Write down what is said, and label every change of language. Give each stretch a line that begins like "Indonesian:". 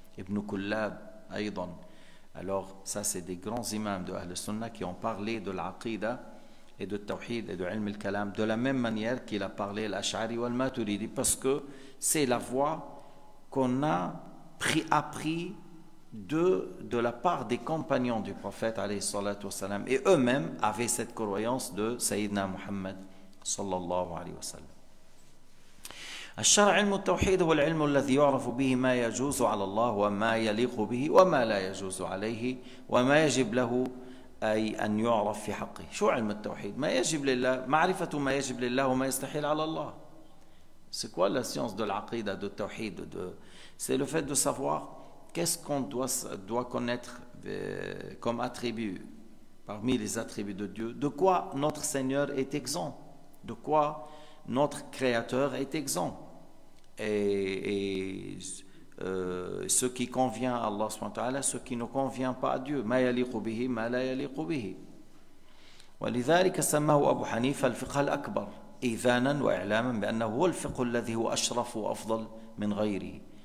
French: Ibn Kullab, Aydan. Alors, ça, c'est des grands imams de Ahl-Sunnah qui ont parlé de l'aqida et de Tawhid et de Ilm al-Kalam de la même manière qu'il a parlé l'Ash'ari ou al-Maturidi, parce que c'est la voie qu'on a appris de la part des compagnons du prophète, alayhi salatu wasalam, et eux-mêmes avaient cette croyance de Sayyidina Muhammad, sallallahu alayhi wasalam.
Arabic: الشرع علم التوحيد هو العلم الذي يعرف به ما يجوز على الله وما يليق به وما لا يجوز عليه وما يجب له أي أن يعرف في حقه. شو علم التوحيد؟ ما يجب لله، معرفة ما يجب لله وما يستحيل على الله.
French: C'est quoi la science de l'aqida, de التوحيد؟ C'est le fait de savoir qu'est-ce qu'on doit connaître comme attribut, parmi les attributs de Dieu, de quoi notre Seigneur est exempt, de quoi notre créateur est exempt, et ce qui convient à Allah subhanahu wa ta'ala, ce qui ne convient pas à Dieu,
Arabic: ma yaliqu bihi ma la yaliqu bihi. ولذلك سماه ابو حنيفه الفقه الاكبر اذانا واعلاما بانه هو الفقه الذي هو اشرف وافضل من غيره.